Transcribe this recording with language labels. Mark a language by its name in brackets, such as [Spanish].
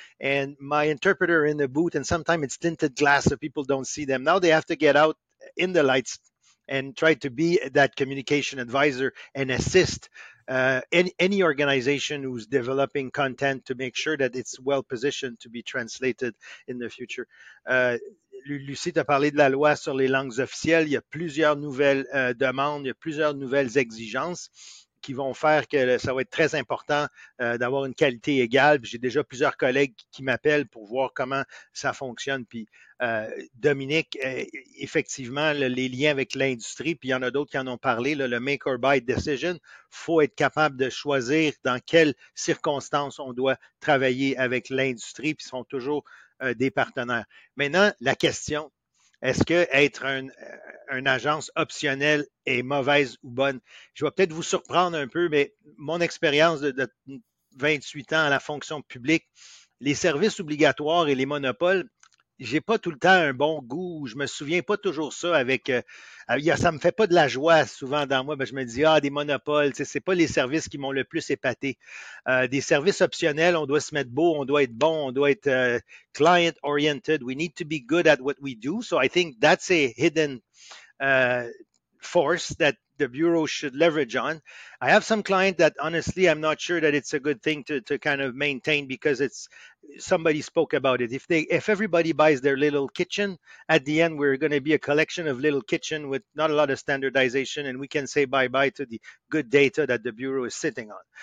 [English] And my interpreter in the booth, and sometimes it's tinted glass so people don't see them. Now they have to get out in the lights and try to be that communication advisor and assist any organization who's developing content to make sure that it's well positioned to be translated in the future. [French] Lucie, tu as parlé de la loi sur les langues officielles. Il y a plusieurs nouvelles demandes, il y a plusieurs nouvelles exigences qui vont faire que ça va être très important d'avoir une qualité égale. J'ai déjà plusieurs collègues qui m'appellent pour voir comment ça fonctionne. Puis Dominique, effectivement, les liens avec l'industrie, puis il y en a d'autres qui en ont parlé, là, le [English] make or buy decision, [French] faut être capable de choisir dans quelles circonstances on doit travailler avec l'industrie, puis ce sont toujours des partenaires. Maintenant, la question, est-ce que être une agence optionnelle est mauvaise ou bonne? Je vais peut-être vous surprendre un peu, mais mon expérience de 28 ans à la fonction publique, les services obligatoires et les monopoles, j'ai pas tout le temps un bon goût. Je me souviens pas toujours ça avec... ça me fait pas de la joie souvent dans moi. Ben je me dis, ah, des monopoles, tu sais, c'est pas les services qui m'ont le plus épaté. Des services optionnels, on doit se mettre beau, on doit être bon, on doit être client-oriented. [English] We need to be good at what we do. So I think that's a hidden force that the bureau should leverage on. I have some client that honestly, I'm not sure that it's a good thing to kind of maintain because it's somebody spoke about it. If everybody buys their little kitchen, at the end, we're going to be a collection of little kitchen with not a lot of standardization, and we can say bye-bye to the good data that the bureau is sitting on.